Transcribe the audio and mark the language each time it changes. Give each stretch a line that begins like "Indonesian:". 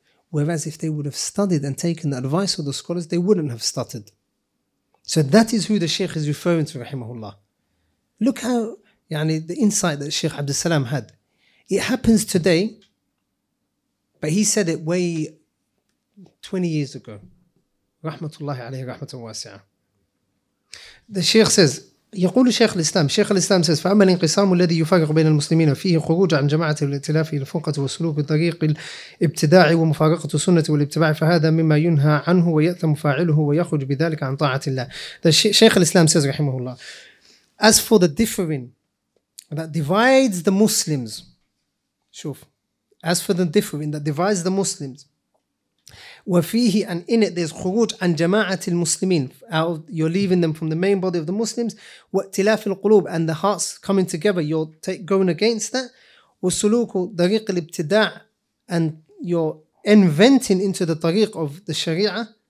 English: Whereas if they would have studied and taken the advice of the scholars, they wouldn't have stuttered. So that is who the Shaykh is referring to, rahimahullah. Look how the insight that Shaykh Abdus Salam had. It happens today, but he said it way 20 years ago. Rahmatullahi alayhi rahmatun wasi'ah. The Shaykh says,
Arabic: يقول شيخ الإسلام, شيخ الإسلام says, فأما الانقسام الذي يفرق بين المسلمين فيه خروج عن جماعة الائتلاف إلى فرقة وسلوك بطريق الابتداع ومفارقة السنة والاتباع فهذا مما ينهى عنه ويأثم فاعله ويخرج بذلك عن طاعة الله.
English: The Shaykh الإسلام says, رحمه الله, as for the differing that divides the Muslims, شوف, as for the differing that divides the Muslims, وفيه, and in it there's
Arabic: خروج عن جماعة المسلمين,
English: you're leaving them from the main body of the Muslims,
Arabic: واتلاف القلوب,
English: and the hearts coming together, going against that,
Arabic: وسلوك طريق الابتداع,
English: and you're inventing into the طريق of the شريعة